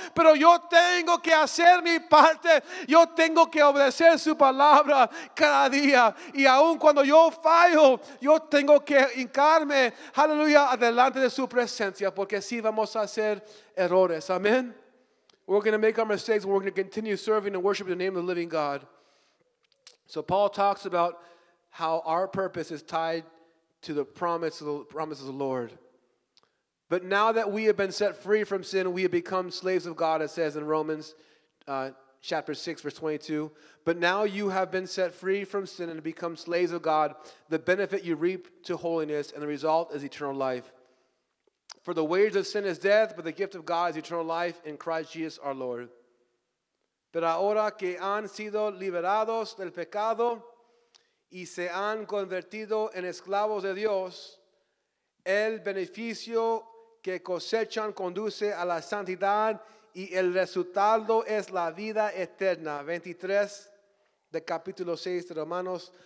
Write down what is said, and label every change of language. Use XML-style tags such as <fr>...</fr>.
<es>Pero yo tengo que hacer mi parte, yo tengo que obedecer su palabra cada día, y aun cuando yo fallo, yo tengo que hincarme, aleluya, adelante de su presencia, porque si vamos a hacer errores, amén.</es> <en>We're going to make our mistakes, we're going to continue serving and worshiping the name of the living God. So Paul talks about how our purpose is tied to the promises of the Lord. But now that we have been set free from sin, we have become slaves of God, it says in Romans chapter 6, verse 22. But now you have been set free from sin and become slaves of God. The benefit you reap to holiness, and the result is eternal life. For the wages of sin is death, but the gift of God is eternal life in Christ Jesus our Lord.</en> <es>Pero ahora que han sido liberados del pecado y se han convertido en esclavos de Dios, el beneficio que cosechan conduce a la santidad. Y el resultado es la vida eterna. 23 de capítulo 6 de Romanos.</es>